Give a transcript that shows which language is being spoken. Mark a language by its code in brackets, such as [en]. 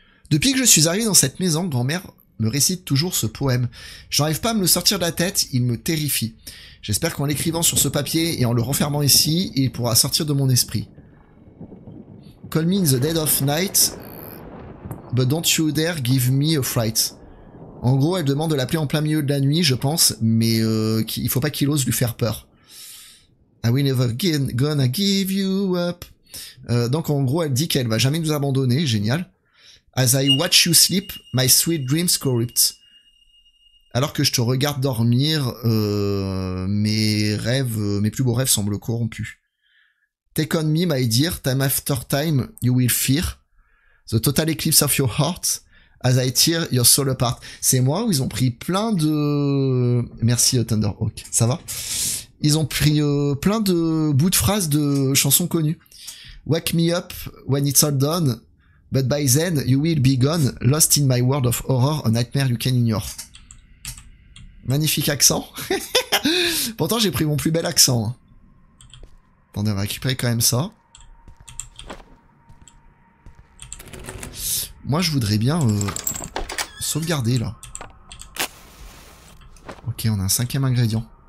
[fr] Depuis que je suis arrivé dans cette maison, grand-mère me récite toujours ce poème. J'arrive pas à me le sortir de la tête, il me terrifie. J'espère qu'en l'écrivant sur ce papier et en le renfermant ici, il pourra sortir de mon esprit. [en] Call me in the dead of night, but don't you dare give me a fright. [fr] En gros, elle demande de l'appeler en plein milieu de la nuit, je pense, mais il faut pas qu'il ose lui faire peur. [en] I will never gonna give you up. [fr] Donc en gros, elle dit qu'elle va jamais nous abandonner, génial. [en] As I watch you sleep, my sweet dreams corrupt. [fr] Alors que je te regarde dormir, mes plus beaux rêves semblent corrompus. [en] Take on me, my dear, time after time, you will fear. The total eclipse of your heart, as I tear your soul apart. [fr] C'est moi où ils ont pris plein de... Merci, Thunderhawk. Ça va? Ils ont pris plein de bouts de phrases de chansons connues. [en] Wake me up when it's all done. But by then, you will be gone, lost in my world of horror, a nightmare you can ignore. [fr] Magnifique accent. Pourtant, j'ai pris mon plus bel accent. Attendez, on va récupérer quand même ça. Moi, je voudrais bien sauvegarder, là. Ok, on a un cinquième ingrédient.